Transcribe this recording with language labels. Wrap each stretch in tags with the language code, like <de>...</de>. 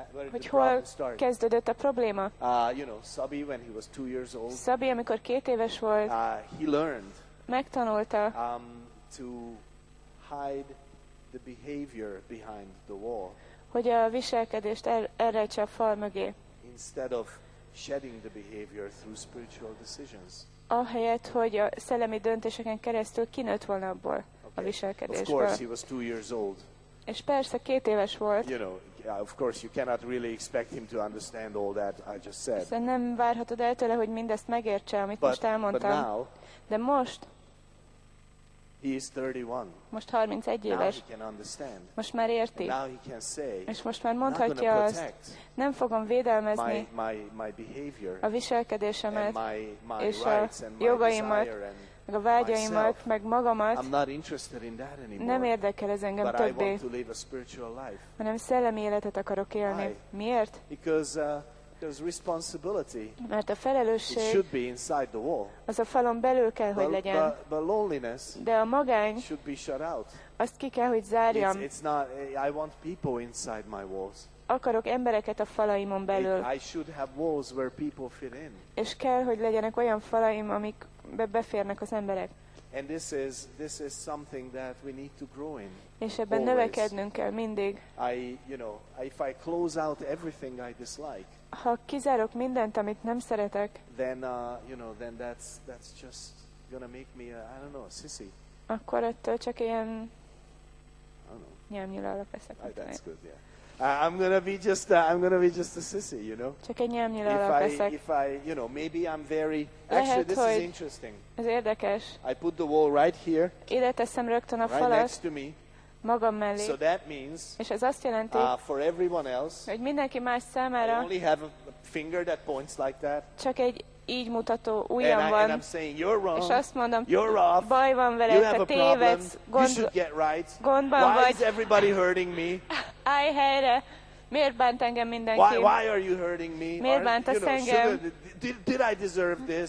<hu>Hogy hol kezdődött a probléma?</hu> <en>You know, Sabi, when he was 2 years old,</en> <hu>Sabi, amikor 2 éves volt,</hu> <en>he learned,</en> <hu>megtanulta,</hu> <en>to hide the behavior behind the wall,</en> <hu>hogy a viselkedést elrejtse a fal mögé.</hu> <en>Instead of shedding the behavior through spiritual decisions.</en> <hu>Ahelyett, hogy a szellemi döntéseken keresztül kinőtt volna abból, okay, a viselkedésből.</hu> <en>Of course, he was 2 years old.</en> <hu>És persze 2 éves volt.</hu> <en>You know, of course you cannot really expect him to understand all that I just said.</en> <hu>Hiszen nem várhatod el tőle, hogy mindezt megértse, amit</hu> <en>but,</en> <hu>most elmondtam.</hu> <en>Now,</en> <hu>de most</hu> <en>he is 31.</en> <hu>Most 31 éves.</hu> <en>Now he can understand.</en> <hu>Most már érti.</hu> <en>And now he can say,</en> <hu>és most már mondhatja azt, nem fogom védelmezni</hu> <en>my behavior,</en> <hu>a viselkedésemet</hu> <en>and my</en> <hu>és</hu> <en>rights</en> <hu>a jogaimat. Meg a vágyaimat, meg magamat.</hu> <en>I'm not interested in that anymore,</en> <hu>nem érdekel ez engem</hu> <en>but</en> <hu>többé,</hu> <en>I want to live a spiritual life.</en> <hu>Hanem szellemi életet akarok élni.</hu> <en>Why?</en> <hu>Miért?</hu> <en>Because responsibility,</en> <hu>mert a felelősség,</hu> <en>it should be inside the wall,</en> <hu>az a falon belül kell, hogy legyen.</hu> <en>But loneliness,</en> <hu>de a magány,</hu> <en>should be shut out,</en> <hu>azt ki kell, hogy zárjam.</hu> <en>It's not, I want people inside my walls.</en> <hu>Akarok embereket a falaimon belül.</hu> <en>I should have walls where people fit in.</en> <hu>És kell, hogy legyenek olyan falaim, amik beférnek az emberek.</hu> <en>And this is something that we need to grow in.</en> <hu>És ebben</hu> <en>always</en> <hu>növekednünk kell mindig.</hu> <en>I, you know, if I close out everything I dislike,</en> <hu>ha kizárok mindent, amit nem szeretek,</hu> <en>then you know, then that's just gonna make me a, I don't know, a sissy.</en> <hu>Akkor ettől csak ilyen,</hu> <en>I don't know,</en> <hu>nyelvnyilalak leszek.</hu> <en>That's good, yeah. I'm gonna be just a sissy, you know.</en> <hu>Csak egy nyelvnyilalak leszek.</hu> <en>If I, you know, maybe I'm very.</en> <hu>Lehet,</hu> <en>actually, this is interesting.</en> <hu>Ez érdekes.</hu> <en>I put the wall right here.</en> <hu>Ide teszem rögtön a falat.</hu> <en>Right next to me.</en> <hu>Magam mellé.</hu> <en>So that means.</en> <hu>És ez azt jelenti.</hu> <en>For everyone else.</en> <hu>Hogy mindenki más számára.</hu> <en>I only have a finger that points like that.</en> <hu>Csak egy így mutató ujjam van.</hu> <en>And I'm saying you're wrong.</en> <hu>És azt mondom,</hu> <en>you're off.</en> <hu>Baj van veled,</hu> <en>you have a</en> <hu>tévedsz,</hu> <en>problem. You should get right.</en> <hu>Gondban</hu> <en>why</en> <hu>vagy.</hu> <en>Is everybody hurting me?</en> <hu>Állj helyre! Miért bánt engem mindenki?</hu> <en>Why are you hurting me?</en> <hu>Miért bántasz engem?</hu> <en>Did I deserve this?</en>